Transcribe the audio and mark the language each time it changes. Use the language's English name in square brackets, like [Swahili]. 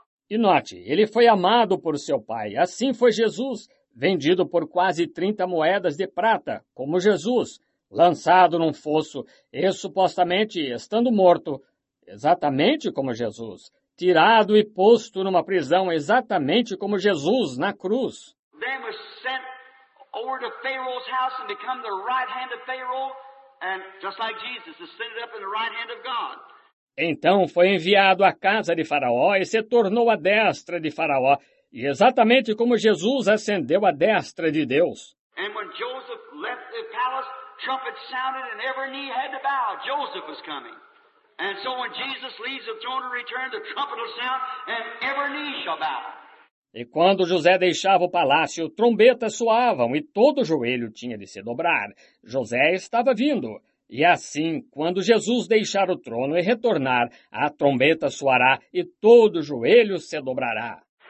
[Portuguese] E note, ele foi amado por seu pai. Assim foi Jesus, vendido por quase 30 moedas de prata, como Jesus, lançado num fosso e supostamente estando morto, exatamente como Jesus, tirado e posto numa prisão, exatamente como Jesus, na cruz. [English] Then was sent over to Pharaoh's house and become the right hand of Pharaoh, And just like Jesus ascended up in the right hand of God. [Portuguese] Então foi enviado à casa de Faraó e se tornou a destra de Faraó, e exatamente como Jesus ascendeu à destra de Deus. [English] And when Joseph left the palace, trumpets sounded and every knee had to bow. Joseph was coming. And so when Jesus leaves the throne and returns, the trumpet will sound and every knee shall bow. [Portuguese] E quando José deixava o palácio, trombetas soavam e todo o joelho tinha de se dobrar. José estava vindo. E assim, quando Jesus deixar o trono e retornar, a trombeta soará e todo o joelho se dobrará.